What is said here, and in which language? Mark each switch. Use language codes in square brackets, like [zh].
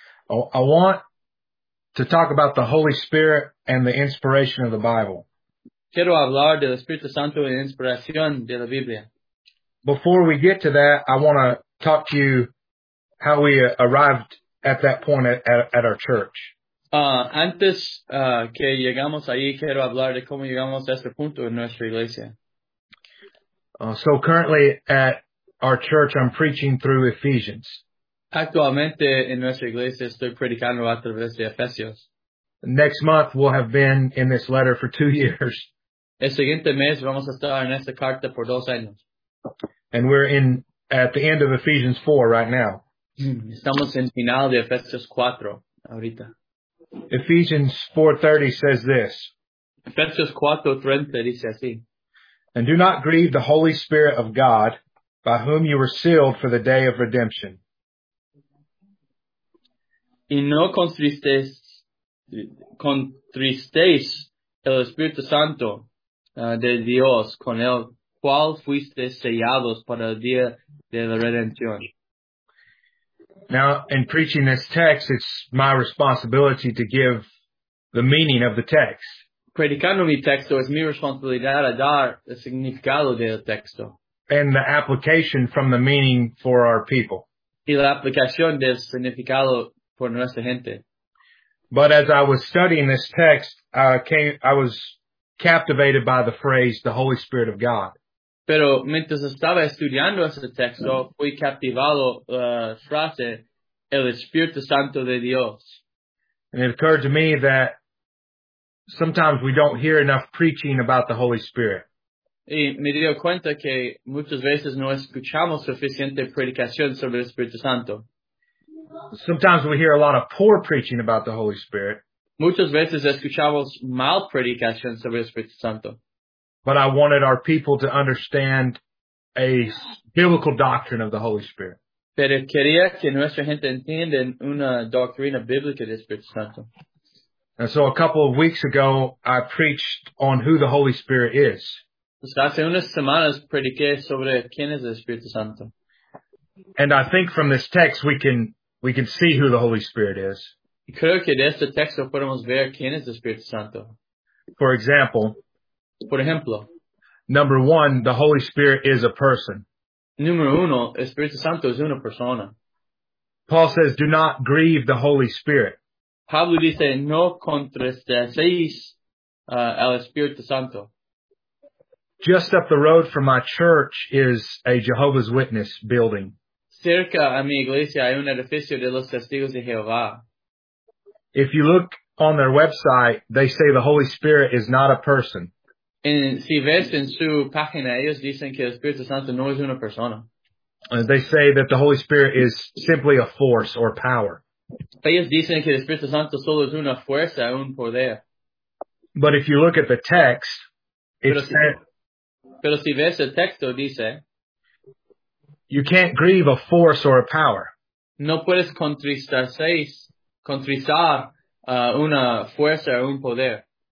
[en] I want to talk about the Holy Spirit and the inspiration of the Bible. [es] Quiero hablar del Espíritu Santo y la inspiración de la Biblia. [en] Before we get to that, I want to talk to you how we arrived at that point at our church. [es] Antes que llegamos ahí, quiero hablar de cómo llegamos a este punto en nuestra iglesia. [en] So currently at our church, I'm preaching through Ephesians. [es] Actualmente en nuestra iglesia estoy predicando a través de Efesios. [en] Next month we'll have been in this letter for 2 years. [es] El siguiente mes vamos a estar en esta carta por 2 años. [en] And we're in at the end of Ephesians 4 right now. [es] Estamos en final de Efesios 4 ahorita. [en] Ephesians 4:30 says this. [es] Efesios 4:30 dice así. [en] And do not grieve the Holy Spirit of God, by whom you were sealed for the day of redemption. [es] Y no contristéis el Espíritu Santo de Dios, con el cual fuisteis sellados para el día de la redención. [en] Now, in preaching this text, it's my responsibility to give the meaning of the text. [es] Predicando mi texto, es mi responsabilidad a dar el significado del texto. [en] And the application from the meaning for our people. [es] Y la aplicación del significado por nuestra gente. [en] But as I was studying this text, I was captivated by the phrase, the Holy Spirit of God. [es] Pero mientras estaba estudiando ese texto, fui captivado la frase, el Espíritu Santo de Dios. [en] And it occurred to me that sometimes we don't hear enough preaching about the Holy Spirit. [es] Y me dio cuenta que muchas veces no escuchamos suficiente predicación sobre el Espíritu Santo. [en] Sometimes we hear a lot of poor preaching about the Holy Spirit. [es] Muchas veces escuchamos mal predicación sobre el Espíritu Santo. [en] But I wanted our people to understand a biblical doctrine of the Holy Spirit. [es] Pero quería que nuestra gente entienda una doctrina bíblica del Espíritu Santo. [en] And so a couple of weeks ago, I preached on who the Holy Spirit is. [es] Hace unas semanas prediqué sobre quién es el Espíritu Santo. [en] And I think from this text, we can see who the Holy Spirit is. [es] Creo que de este texto podemos ver quién es el Espíritu Santo. [en] For example, [es] por ejemplo, [en] number one, the Holy Spirit is a person. [es] Número uno, Espíritu Santo es una persona. [en] Paul says, do not grieve the Holy Spirit. [es] Pablo dice, no contristéis al Espíritu Santo. [en] Just up the road from my church is a Jehovah's Witness building. [es] Cerca a mi iglesia hay un edificio de los testigos de Jehová. [en] If you look on their website, they say the Holy Spirit is not a person. [es] En, si ves en su página, ellos dicen que el Espíritu Santo no es una persona. [en] They say that the Holy Spirit is simply a force or power. [es] Ellos dicen que el Espíritu Santo solo es una fuerza, un poder. [en] But if you look at the text, [es] pero si ves el texto, dice, [en] you can't grieve a force or a power. [es] No puedes contristar una fuerza o un poder.